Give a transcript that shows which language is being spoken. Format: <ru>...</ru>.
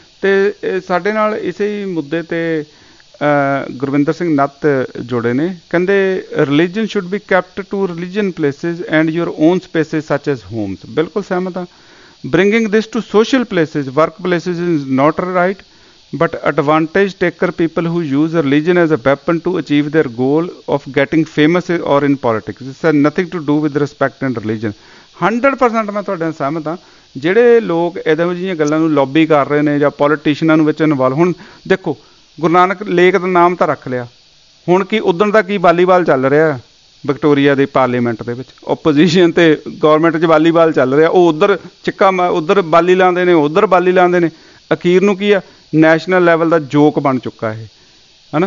<pa>ਤੇ ਸਾਡੇ ਨਾਲ ਇਸੇ ਮੁੱਦੇ ਤੇ ਗੁਰਵਿੰਦਰ ਸਿੰਘ ਨੱਤ ਜੁੜੇ ਨੇ, ਕਹਿੰਦੇ</pa> <en>Religion should be kept to religion places and your own spaces such as homes.</en> <pa>ਬਿਲਕੁਲ ਸਹਿਮਤ ਹਾਂ,</pa> <en>Bringing this to social places, work places is not right, but advantage taker people who use religion as a weapon to achieve their goal of getting famous or in politics. This has nothing to do with respect and religion.</en> <pa>100% ਮੈਂ ਤੁਹਾਡੇ ਨਾਲ ਸਹਿਮਤ ਹਾਂ। ਜਿਹੜੇ ਲੋਕ ਇਹਦੇ ਜਿਹੀਆਂ ਗੱਲਾਂ ਨੂੰ ਲੌਬੀ ਕਰ ਰਹੇ ਨੇ ਜਾਂ ਪੋਲੀਟੀਸ਼ੀਅਨਾਂ ਨੂੰ ਵਿੱਚ ਇਨਵੋਲ, ਹੁਣ ਦੇਖੋ ਗੁਰੂ ਨਾਨਕ ਲੇਕ ਦਾ ਨਾਮ ਤਾਂ ਰੱਖ ਲਿਆ, ਹੁਣ ਕੀ ਉੱਦਣ ਦਾ ਕੀ ਵਾਲੀਬਾਲ ਚੱਲ ਰਿਹਾ ਵਿਕਟੋਰੀਆ ਦੇ ਪਾਰਲੀਮੈਂਟ ਦੇ ਵਿੱਚ? ਓਪੋਜੀਸ਼ਨ ਅਤੇ ਗੌਰਮੈਂਟ 'ਚ ਵਾਲੀਬਾਲ ਚੱਲ ਰਿਹਾ, ਉਹ ਉੱਧਰ ਚਿੱਕਾ ਉੱਧਰ ਬਾਲੀ ਲਾਉਂਦੇ ਨੇ, ਉੱਧਰ ਬਾਲੀ ਲਾਉਂਦੇ ਨੇ, ਅਖੀਰ ਨੂੰ ਕੀ ਆ ਨੈਸ਼ਨਲ ਲੈਵਲ ਦਾ ਜੋਕ ਬਣ ਚੁੱਕਾ ਇਹ, ਹੈ ਨਾ?</pa>